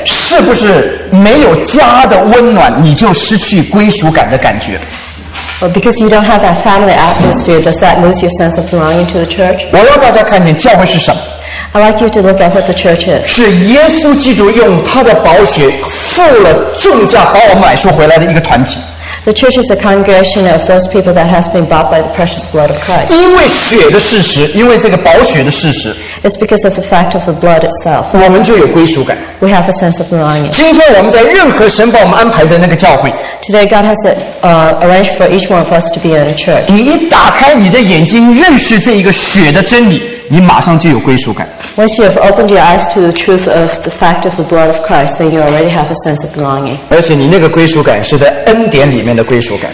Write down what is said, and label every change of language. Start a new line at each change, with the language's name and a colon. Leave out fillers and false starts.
Chinese: 是不是没有家的温暖，你就失去归属感的感觉？
English: Well, because you don't have that family atmosphere, does that lose your sense of belonging to the church?
Chinese: 我要大家看见教会是什么。
English: I'd like you to look at what the church is.
Chinese: 是耶稣基督用他的宝血付了重价把我买赎回来的一个团体。
English: The church is a congregation of those people that has been bought by the precious blood of Christ.
Chinese: 因为血的事实，因为这个宝血的事实。
English: It's because of the fact of the blood itself.
Chinese: 我们就有归属感。
English: We have a sense of belonging.
Chinese: 今天我们在任何神把我们安排的那个教会。
English: Today God has arranged for each one of us to be in a church.
Chinese: 你一打开你的眼睛，认识这一个血的真理，你马上就有归属感。
English: Once you have opened your eyes to the truth of the fact of the blood of Christ, then you already have a sense of belonging.
Chinese: 而且你那个归属感是在恩典里面的归属感。